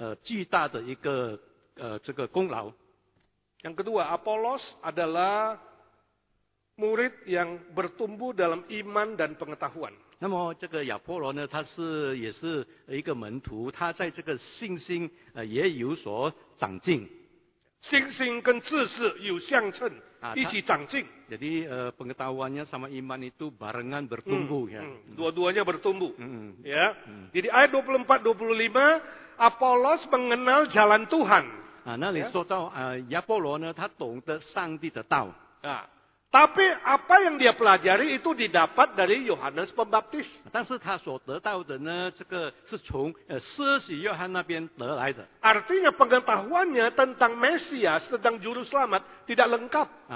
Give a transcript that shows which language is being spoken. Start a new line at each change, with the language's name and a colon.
Chinese: 当你忠心的能够顺服，然后遵从主耶稣的话和他的真理，你就会看到他所要做的，在你身上做的一个巨大的一个功劳。
Indonesian: Yang kedua, Apolos adalah murid yang bertumbuh dalam iman dan pengetahuan.
Chinese: 那么这个亚波罗呢，他是也是一个门徒，他在这个信心也有所长进。信心跟知识有相称， 一起长进。
Indonesian: Jadi pengetahuannya sama iman itu barengan bertumbuh. Dua-duanya bertumbuh. Ya. Jadi ayat 24-25, Apolos mengenal jalan Tuhan.
Chinese: 那里说到亚波罗呢，他懂得上帝的道。
Indonesian: Tapi apa yang dia pelajari itu didapat dari Yohanes Pembaptis.
Chinese: 但是他所得到的呢，这个是从施洗约翰那边得来的。
Indonesian: Artinya pengetahuannya tentang Mesias, tentang Juru Selamat tidak lengkap.